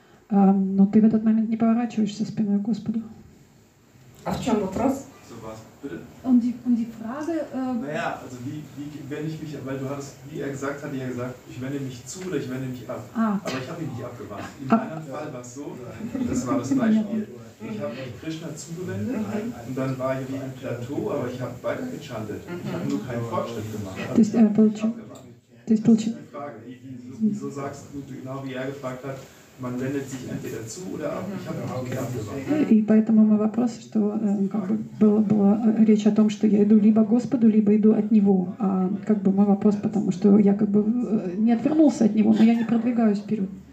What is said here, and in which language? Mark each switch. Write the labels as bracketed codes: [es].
[ru] Но ты в этот момент не поворачиваешься спиной к Господу. А в чем вопрос? [de] Und die Frage... Naja, also wie wende ich mich ab? Weil du hattest, wie er gesagt hat, ich wende mich zu oder ich wende mich ab. Aber ich habe ihn nicht abgewandt. In meinem Fall war es so, das war das Beispiel, ich habe mich Krishna zugewendet und dann war ich wie ein Plateau, aber ich habe weiter gechantet. Ich habe nur keinen Fortschritt gemacht. Das ist eine Frage. Das ist die Frage. Wieso sagst du, genau wie er gefragt hat, man wendet sich entweder zu oder ab. Ich habe auch gern gesagt. [ru] И поэтому мой вопрос, что как бы была речь о том, что я иду либо к Господу, либо иду от Него. А как бы мой вопрос, потому что я как бы не отвернулся от Него, но я не продвигаюсь вперед.